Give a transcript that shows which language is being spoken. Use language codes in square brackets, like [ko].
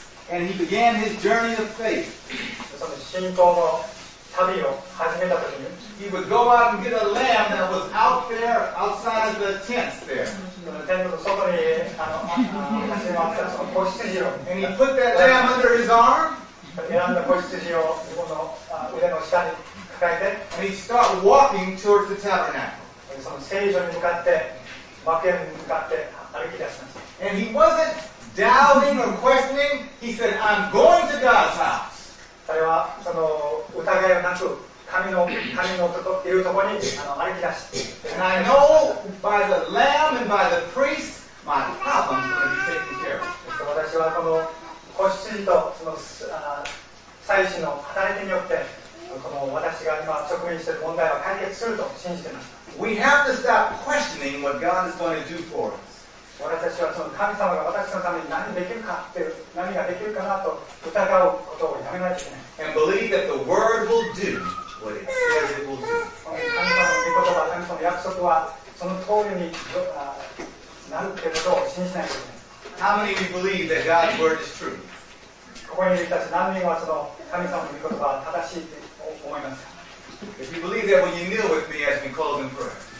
[en] And he began his journey of faith. [ja] その信仰の旅を始めた時に、 [en] He would go out and get a lamb that was out there, outside of the tents there. [ja] テントの外に、始まったその子羊を、 [en] And he put that lamb under his arm. [ja] 選んだ子羊を自分の腕の下に抱えて、 [en] And he started walking towards the tabernacle. [ja] その聖所に向かって、幕屋に向かって歩き出しました。 [en] And he wasn't doubting or questioning. He said, I'm going to God's house. [ja] それはその疑いはなく、神のというところに歩き出して、 [en] And I know by the lamb and by the priest, my problems will be taken care of. [ja] 私はこの子羊とその祭司の働きによって、この私が今直面している問題は解決すると信じています。 [en] We have to stop questioning what God is going to do for us. [ja] 私たちはその神様が私のために何ができるかっていう、何ができるかなと疑うことをやめないといけない。 [en] And believe that the word will do what it says it will do. [ja] 神様の御言葉、神様の約束はその通りになるということを信じないといけない。 [en] How many of you believe that God's word is true? [ja] ここにいる人たち何人はその神様の御言葉は正しいと思いますか? [en] If you believe that, will you kneel with me as we close in prayer?